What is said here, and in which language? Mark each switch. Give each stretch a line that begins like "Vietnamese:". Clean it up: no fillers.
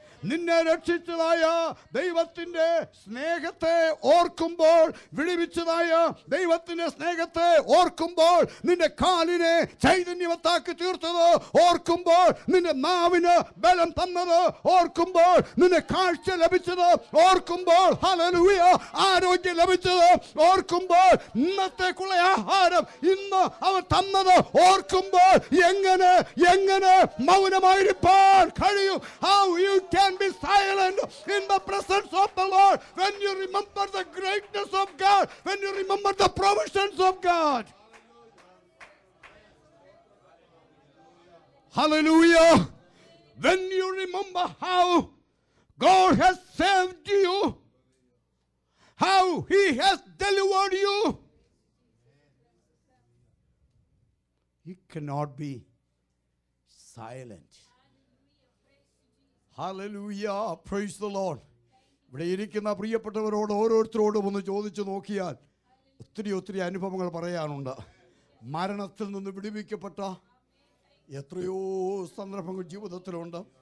Malayalam: നിന്നെ രക്ഷിച്ചതായ ദൈവത്തിൻ്റെ സ്നേഹത്തെ ഓർക്കുമ്പോൾ, വിടുവിച്ചതായ ദൈവത്തിൻ്റെ സ്നേഹത്തെ ഓർക്കുമ്പോൾ, നിന്റെ കാലിനെ ചൈതന്യവത്താക്കി തീർത്തത് ഓർക്കുമ്പോൾ, നിന്റെ നാവിന് ബലം തന്നത് ഓർക്കുമ്പോൾ, നിന്നെ കാഴ്ച ലഭിച്ചത് ഓർക്കുമ്പോൾ, ഹല്ലേലൂയ ആരോഗ്യം ലഭിച്ചത് ഓർക്കുമ്പോൾ, ഇന്നത്തേക്കുള്ള ആഹാരം ഇന്ന് അവൻ തന്നത് ഓർക്കുമ്പോൾ, എങ്ങനെ എങ്ങനെ മൗനമായിരിപ്പാൻ കഴിയും?
English: Can be silent in the presence of the Lord when you remember the greatness of God, when you remember the provisions of God. Hallelujah. When you remember how God has saved you, how he has delivered you, he cannot be silent. Hallelujah. Praise the Lord.
Malayalam: ഇവിടെ ഇരിക്കുന്ന പ്രിയപ്പെട്ടവരോട് ഓരോരുത്തരോടും ഒന്ന് ചോദിച്ചു നോക്കിയാൽ ഒത്തിരി ഒത്തിരി അനുഭവങ്ങൾ പറയാനുണ്ട്. മരണത്തിൽ നിന്ന് വിടുവിക്കപ്പെട്ട എത്രയോ സന്ദർഭങ്ങൾ ജീവിതത്തിലുണ്ട്.